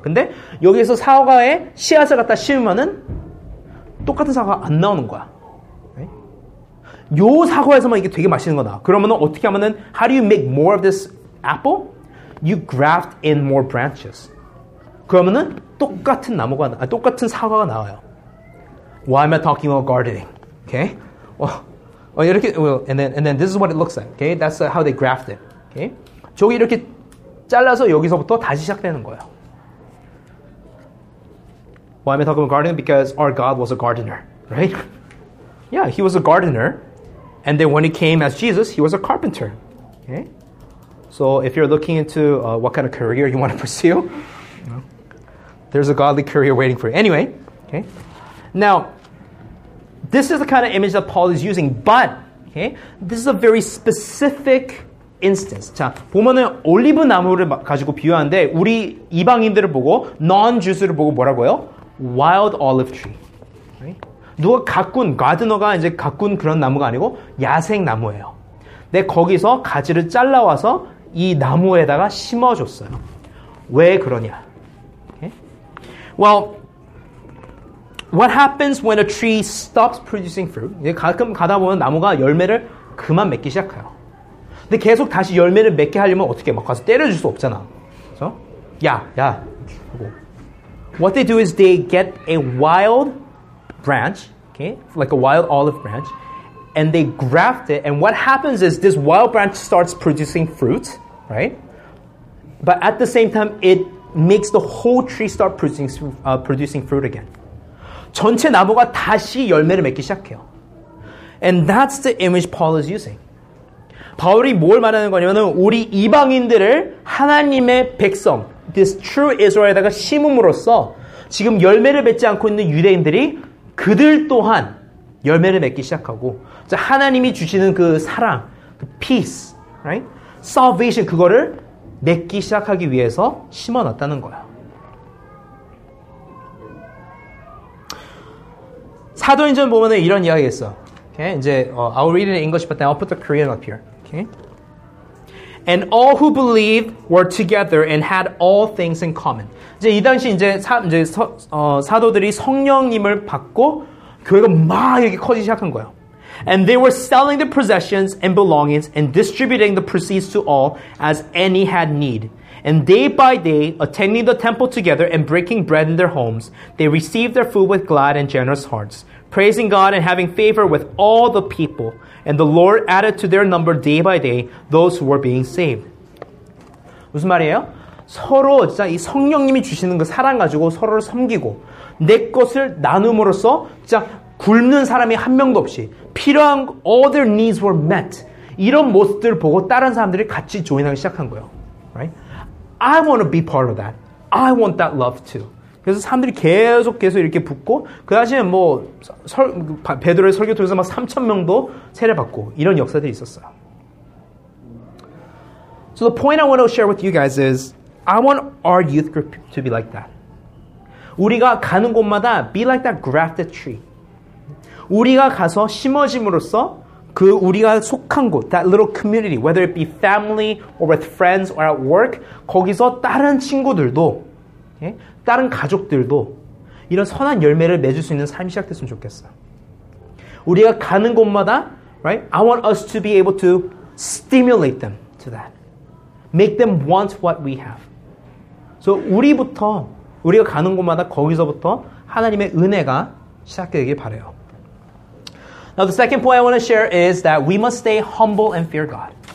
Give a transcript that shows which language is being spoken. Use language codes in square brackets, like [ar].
[ko] 근데 여기에서 사과에 씨앗을 갖다 심으면은 똑같은 사과가 안 나오는 거야. 요 사과에서만 이게 되게 맛있는 거 나와. 그러면은 어떻게 하면은 [en] how do you make more of this apple? You graft in more branches. [ko] 그러면은 똑같은 나무가 아 똑같은 사과가 나와요. [en] Why am I talking about gardening? Okay? Well, [ko] 이렇게 [en] well, and then this is what it looks like. Okay? That's how they graft it. Okay? [ko] 저기 이렇게 잘라서 여기서부터 다시 시작되는 거예요. [en] Why am I talking about gardening? Because our God was a gardener, right? Yeah, he was a gardener. And then when he came as Jesus, he was a carpenter. Okay? So if you're looking into what kind of career you want to pursue, no. There's a godly career waiting for you. Anyway, okay? Now, this is the kind of image that Paul is using, but okay, this is a very specific instance. [ko] 자, 보면은 올리브 나무를 가지고 비유하는데 우리 이방인들을 보고 non-Jews를 보고 뭐라고요? [en] Wild olive tree. Right? [ko] 누가 가꾼, 가드너가 이제 가꾼 그런 나무가 아니고 야생 나무예요. 근데 거기서 가지를 잘라와서 이 나무에다가 심어줬어요. 왜 그러냐? Okay? [en] Well, what happens when a tree stops producing fruit? [ko] 가끔 가다 보면 나무가 열매를 그만 맺기 시작해요. 근데 계속 다시 열매를 맺게 하려면 어떻게 막 가서 때려줄 수 없잖아. 그래서 야 하고. [en] What they do is they get a wild branch, okay, like a wild olive branch, and they graft it. And what happens is this wild branch starts producing fruit, right? But at the same time, it makes the whole tree start producing fruit again. [ko] 전체 나무가 다시 열매를 맺기 시작해요. [en] And that's the image Paul is using. [ko] 바울이 뭘 말하는 거냐면은 우리 이방인들을 하나님의 백성 [en] This true Israel [ko] 에다가 심음으로써 지금 열매를 맺지 않고 있는 유대인들이 그들 또한 열매를 맺기 시작하고 하나님이 주시는 그 사랑, 그 peace, right? salvation 그거를 맺기 시작하기 위해서 심어놨다는 거야. 사도행전 보면은 이런 이야기 있어. [en] Okay? 이제 I'll read it in English, but then I'll put the Korean up here. Okay? And all who believed were together and had all things in common. [ko] 이제 이 당시 이제 사도들이 성령님을 받고 교회가 막 이렇게 커지기 시작한 거예요. [en] And they were selling their possessions and belongings and distributing the proceeds to all as any had need. And day by day, attending the temple together and breaking bread in their homes, they received their food with glad and generous hearts, praising God and having favor with all the people. And the Lord added to their number day by day those who were being saved. [ko] 무슨 말이에요? 서로 진짜 이 성령님이 주시는 그 사랑 가지고 서로를 섬기고 내 것을 나눔으로써 진짜 굶는 사람이 한 명도 없이 필요한 [en] all their needs were met. [ko] 이런 모습들을 보고 다른 사람들이 같이 조인하기 시작한 거예요. [en] Right? I want to be part of that. I want that love too. [ko] 그래서 사람들이 계속 이렇게 붙고 그 당시에 뭐 베드로의 설교 통해서 막 3,000명도 세례받고 이런 역사들이 있었어요. [en] So the point I want to share with you guys is I want our youth group to be like that. [ko] 우리가 가는 곳마다 [en] be like that grafted tree. [ko] 우리가 가서 심어짐으로써 그 우리가 속한 곳, [en] that little community, whether it be family or with friends or at work, [ko] 거기서 다른 친구들도 예? 다른 가족들도 이런 선한 열매를 맺을 수 있는 삶이 시작됐으면 좋겠어. 우리가 가는 곳마다, [en] right? I want us to be able to stimulate them to that. Make them want what we have. [ko] So 우리부터, 우리가 가는 곳마다 거기서부터 하나님의 은혜가 시작되길 바라요. [en] Now the second point I want to share is that we must stay humble and fear God.